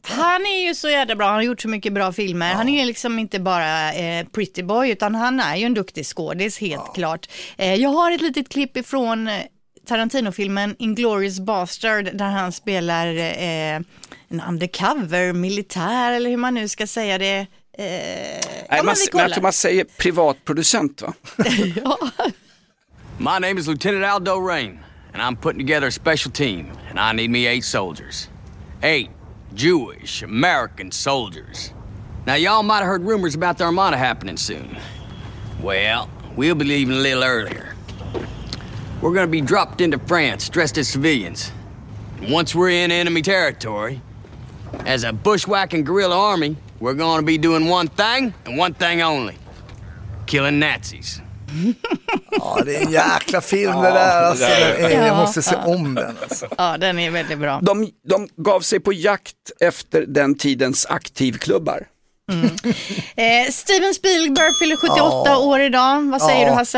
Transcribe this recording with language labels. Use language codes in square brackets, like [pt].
[sv] Han är ju så jävla bra, han har gjort så mycket bra filmer. Ja. Han är ju liksom inte bara pretty boy, utan han är ju en duktig skådis, helt klart. Jag har ett litet klipp ifrån Tarantino-filmen Inglourious Basterd, där han spelar en undercover militär, eller hur man nu ska säga det. Men jag tror man säger privatproducent, va? Ja. [en] My name is Lieutenant Aldo Rain, and I'm putting together a special team, and I need me 8 soldiers. 8 Jewish American soldiers. Now, y'all might have heard rumors about the Armada happening soon. Well, we'll be leaving a little earlier. We're going to be dropped into France dressed as civilians. And once we're in enemy territory, as a bushwhacking guerrilla army, we're going to be doing one thing and one thing only. Killing Nazis. [sv] Ja, det är en jäkla film det där, alltså. Jag måste se om den, alltså. Ja, den är väldigt bra. De gav sig på jakt efter den tidens aktivklubbar. Steven Spielberg fyller 78 år idag. Vad säger du, Hasse?